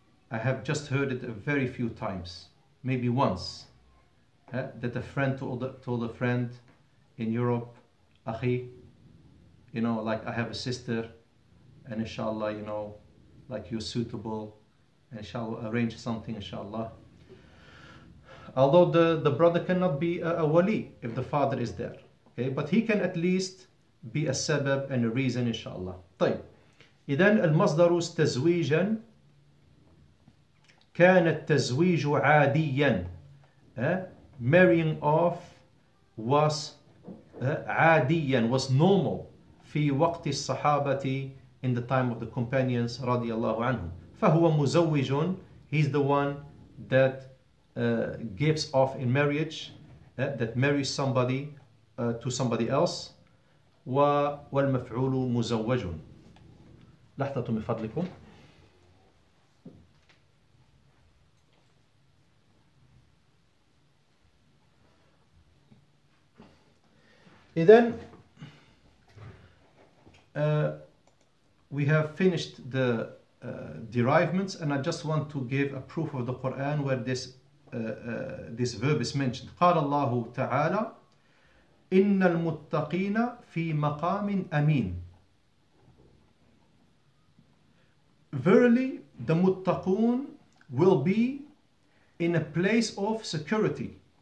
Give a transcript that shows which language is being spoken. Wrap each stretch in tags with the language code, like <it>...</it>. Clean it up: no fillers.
<en>I have just heard it a very few times, maybe once, that a friend told a friend in Europe, Akhi, you know, like I have a sister, and inshallah, you know, like you're suitable, and shall arrange something, inshallah. Although the brother cannot be a wali if the father is there, okay, but he can at least be a sabab and a reason, inshallah.</en> <ar>طيب اذا المصدر تزويجا كان التزويج عاديا.</ar> <en>Marrying off was عاديا, was normal</en> <ar>في وقت الصحابة,</ar> <en>in the time of the companions</en> <ar>رضي الله عنهم. فهو مزوج,</ar> <en>he's the one that gives off in marriage, that marries somebody to somebody else.</en> <ar>والمفعول مزوج. لحظة من فضلكم.</ar> <en>إذن we have finished the derivements, and I just want to give a proof of the Quran where this this verb is mentioned.</en> <ar>قال الله تعالى إن المتقين في مقام أمين.</ar> <en>Verily the muttaqun will be in a place of security.</en>